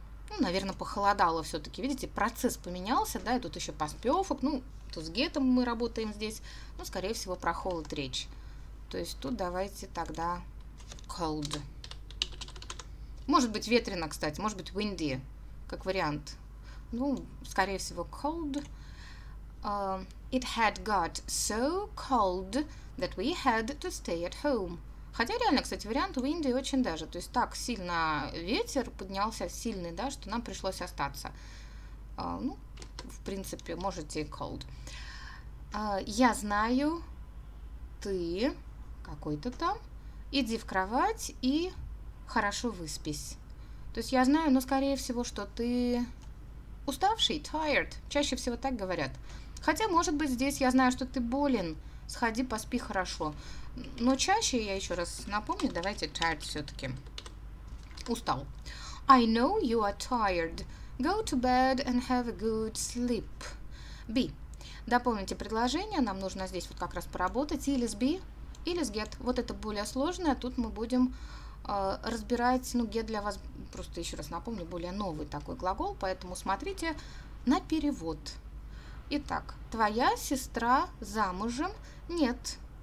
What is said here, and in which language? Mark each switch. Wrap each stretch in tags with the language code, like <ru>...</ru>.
<ru>Ну, наверное, похолодало все-таки. Видите, процесс поменялся, да, и тут еще поспевок. Ну, тут с гетом мы работаем здесь. Ну, скорее всего, про холод речь. То есть тут давайте тогда cold. Может быть, ветрено, кстати. Может быть, windy, как вариант. Ну, скорее всего, cold.</ru> <en>It had got so cold that we had to stay at home.</en> <ru>Хотя реально, кстати, вариант в Индии очень даже. То есть так сильно ветер поднялся, сильный, да, что нам пришлось остаться. Ну, в принципе, можете cold. Я знаю, ты какой-то там. Иди в кровать и хорошо выспись. То есть я знаю, но скорее всего, что ты уставший, tired. Чаще всего так говорят. Хотя, может быть, здесь я знаю, что ты болен. Сходи, поспи хорошо. Но чаще, я еще раз напомню, давайте tired все-таки. Устал.</ru> <en>I know you are tired. Go to bed and have a good sleep. Be.</en> <ru>Дополните предложение. Нам нужно здесь вот как раз поработать. Или с be, или с get. Вот это более сложное. Тут мы будем разбирать, ну, get для вас, просто еще раз напомню, более новый такой глагол. Поэтому смотрите на перевод. Итак, твоя сестра замужем? Нет.</ru>